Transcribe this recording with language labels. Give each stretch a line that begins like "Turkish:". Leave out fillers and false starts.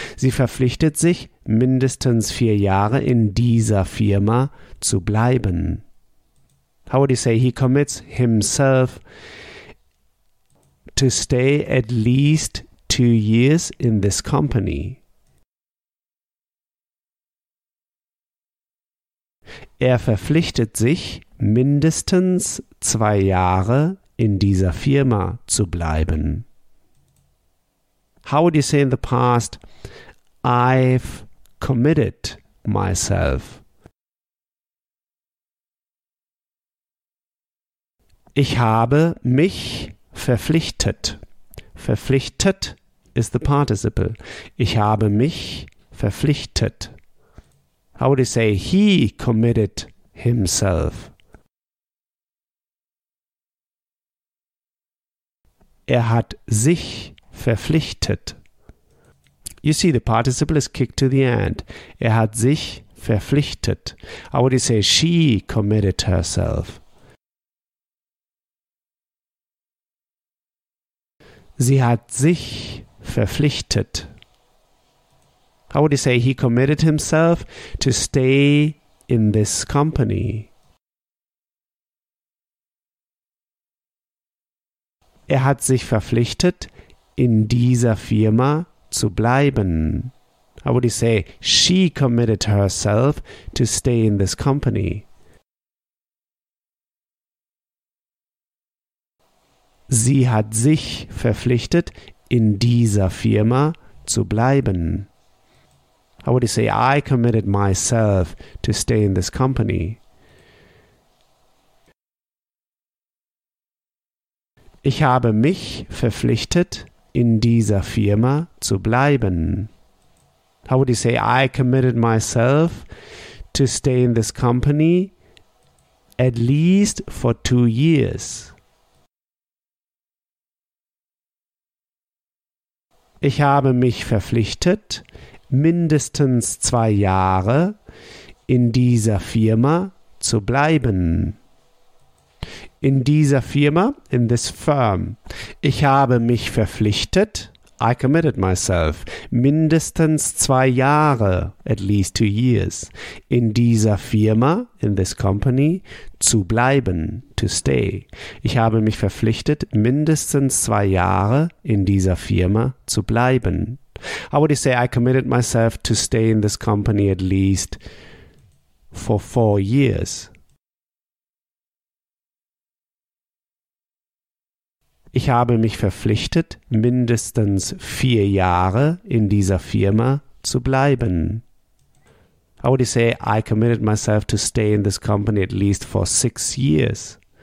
German: Sie verpflichtet sich, mindestens 4 Jahre in dieser Firma zu bleiben.
English: How would you say he commits himself to stay at least 2 years in this company?
German: Er verpflichtet sich, mindestens 2 Jahre in dieser Firma zu bleiben.
English: How would you say in the past, I've committed myself?
German: Ich habe mich verpflichtet. Verpflichtet
English: is the participle.
German: Ich habe mich verpflichtet.
English: How would you say he committed himself?
German: Er hat sich verpflichtet.
English: You see, the participle is kicked to the end.
German: Er hat sich verpflichtet.
English: How would you say she committed herself?
German: Sie hat sich verpflichtet.
English: How would you say he committed himself to stay in this company?
German: Er hat sich verpflichtet, in dieser Firma zu bleiben.
English: How would you say she committed herself to stay in this company?
German: Sie hat sich verpflichtet, in dieser Firma zu bleiben.
English: How would you say, I committed myself to stay in this company?
German: Ich habe mich verpflichtet, in dieser Firma zu bleiben.
English: How would you say, I committed myself to stay in this company at least for 2 years?
German: Ich habe mich verpflichtet, mindestens 2 Jahre in dieser Firma zu bleiben. In dieser Firma,
English: in this firm.
German: Ich habe mich verpflichtet,
English: I committed myself,
German: mindestens 2 Jahre,
English: at least 2 years,
German: in dieser Firma,
English: in this company,
German: zu bleiben,
English: to stay.
German: Ich habe mich verpflichtet, mindestens 2 Jahre in dieser Firma zu bleiben.
English: How would you say, I committed myself to stay in this company at least for 4 years?
German: Ich habe mich verpflichtet, mindestens 4 Jahre in dieser Firma zu bleiben.
English: How would you say, I committed myself to stay in this company at least for 6 years?